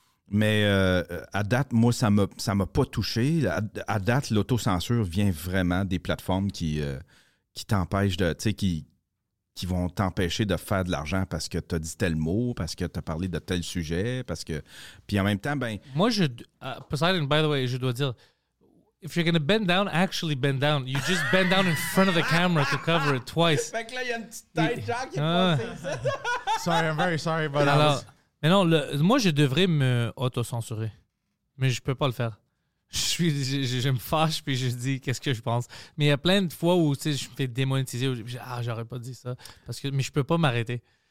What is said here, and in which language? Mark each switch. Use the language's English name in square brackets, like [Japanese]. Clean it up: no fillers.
[French] Mais à date, moi, ça m'a pas touché. À date, l'auto-censure vient vraiment des plateformes qui t'empêchent de. Tu sais, qui vont t'empêcher de faire de l'argent parce que t'as dit tel mot, parce que t'as parlé de tel sujet, parce que. Puis en même temps, ben. Moi, je. Poseidon, [English] by the way, [French] je dois dire. [English] If you're going to bend down, actually bend down. You just bend down in front of the camera to cover it twice. [French] Fait que là, il y a une petite taille de genre qui est passée. [English] Sorry, I'm very sorry, but. [French] Alors, mais non, moi, je devrais me auto-censurer. Mais je peux pas le faire. Je me fâche puis je dis qu'est-ce que je pense. Mais il y a plein de fois où tu sais, je me fais démonétiser. J'aurais pas dit ça. Mais je peux pas m'arrêter.